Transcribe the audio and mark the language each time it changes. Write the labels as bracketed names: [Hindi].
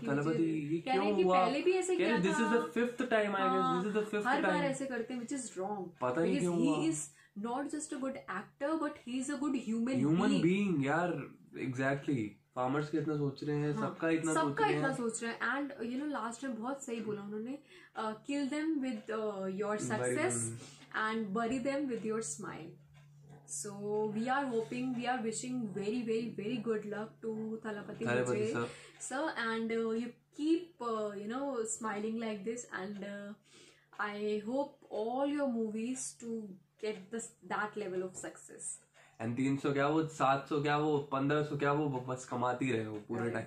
[Hindi] सबका इतना सोच रहे हैं. [English] And you know last time बहुत सही बोला उन्होंने, kill them with your success and bury them with your smile. So we are hoping, we are wishing very, very, very good luck to Thalapati Vijay sir, and you keep you know smiling like this, and I hope all your movies to get this that level of success. [Hindi] And 300 क्या वो, 700 क्या वो, 1500 क्या वो, बस कमाती रहे वो पूरे टाइम.